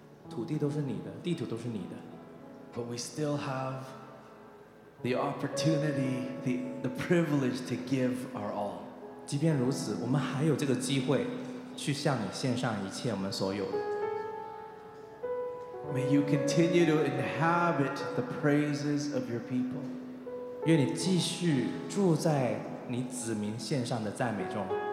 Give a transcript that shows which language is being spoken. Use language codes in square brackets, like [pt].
[zh] 土地都是你的，地土都是你的。 [en] But we still have the opportunity, the privilege to give our all. [zh] 即便如此，我们还有这个机会去向你献上一切我们所有的。 [en] May you continue to inhabit the praises of your people. [zh] 愿你继续住在你子民献上的赞美中。